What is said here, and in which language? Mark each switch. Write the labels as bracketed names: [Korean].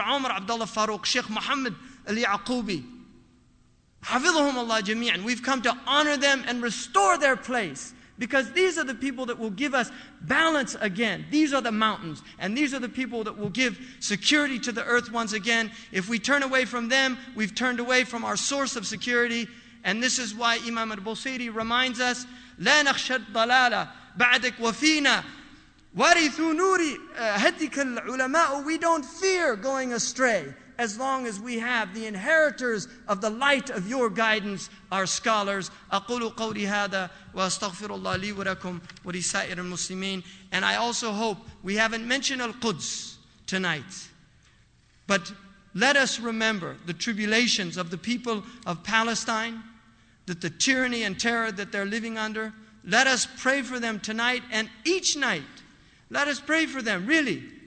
[English] Omar Abdullah Farooq, Sheikh Muhammad al-Yaqubi. Hafidhum Allah jami'an. We've come to honor them and restore their place, because these are the people that will give us balance again. These are the mountains, and these are the people that will give security to the earth once again. If we turn away from them, we've turned away from our source of security. And this is why Imam al-Busiri reminds us, [Arabic] لا نخشى الضلالة بعدك وفينا ورثوا نور هديك العلماء. [English] We don't fear going astray as long as we have the inheritors of the light of your guidance, our scholars. [Arabic] أقول قولي هذا وأستغفر الله لي ولكم ولسائر المسلمين. [English] And I also hope, we haven't mentioned Al-Quds tonight, but let us remember the tribulations of the people of Palestine, that the tyranny and terror that they're living under. Let us pray for them tonight and each night. Let us pray for them, really.